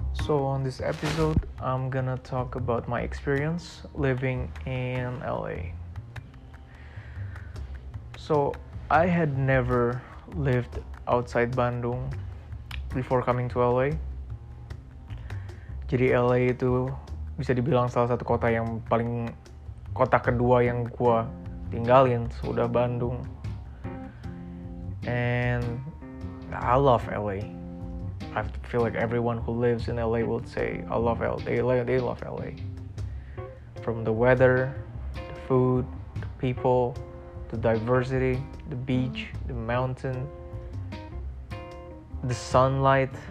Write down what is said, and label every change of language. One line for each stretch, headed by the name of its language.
English: So on this episode, I'm gonna talk about my experience living in LA. So I had never lived outside Bandung before coming to LA.
Indonesian: Jadi LA itu bisa dibilang salah satu kota yang paling kota kedua yang gua tinggalin sudah Bandung.
English: And I love LA. I feel like everyone who lives in LA would say I love LA. They love LA. From the weather, the food, the people, the diversity, the beach, the mountain, the sunlight.